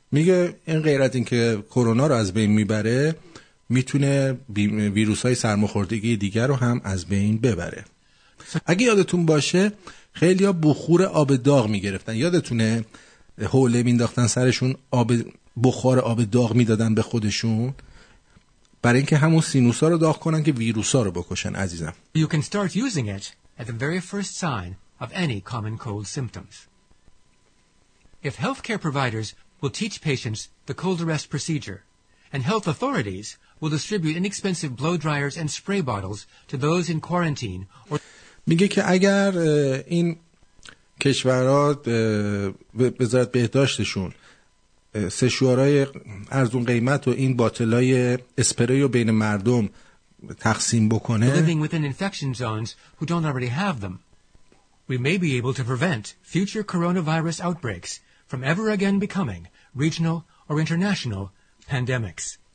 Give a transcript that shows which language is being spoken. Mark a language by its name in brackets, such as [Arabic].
[Persian] میگه این غیر از اینکه کرونا رو از بین میبره، میتونه ویروس‌های سرماخوردگی دیگر رو هم از بین ببره. اگه یادتون باشه خیلی‌ها بخور آب داغ می‌گرفتن، یادتونه حوله مینداختن سرشون آب بخار آب داغ میدادن به خودشون برای اینکه همون سینوسا رو داغ کنن که ویروسا رو بکشن. عزیزم [English] you can start using it at the very first sign of any common cold symptoms. If healthcare providers will teach patients the cold arrest procedure and health authorities will distribute inexpensive blow dryers and spray bottles to those in quarantine or... [Persian] میگه که اگر این کشورها وزارت بهداشتشون سشوارای ارزون قیمت و این باطلای اسپری رو بین مردم تقسیم بکنه، [English] living within infection zones who don't already have them, we may be able to prevent future coronavirus outbreaks from ever again becoming regional or international pandemics.